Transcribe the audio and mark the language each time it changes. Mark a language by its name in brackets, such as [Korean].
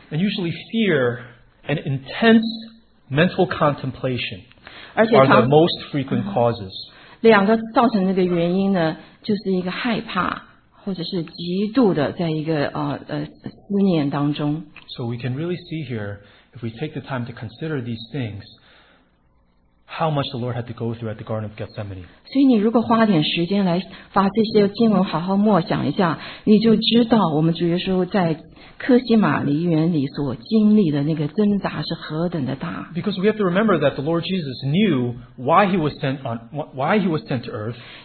[English] And usually fear and intense mental contemplation are the most frequent causes. [Chinese] 两个造成这个原因呢，就是一个害怕，或者是极度的在一个思念当中。 [English] So we can really see here, if we take the time to consider these things, how much the Lord had to go through at the Garden of Gethsemane. [Chinese] 所以你如果花点时间来把这些经文好好默想一下，你就知道我们主耶稣在科西玛尼园里所经历的那个挣扎是何等的大。 [English] Because we have to remember that the Lord Jesus knew why he was sent to earth.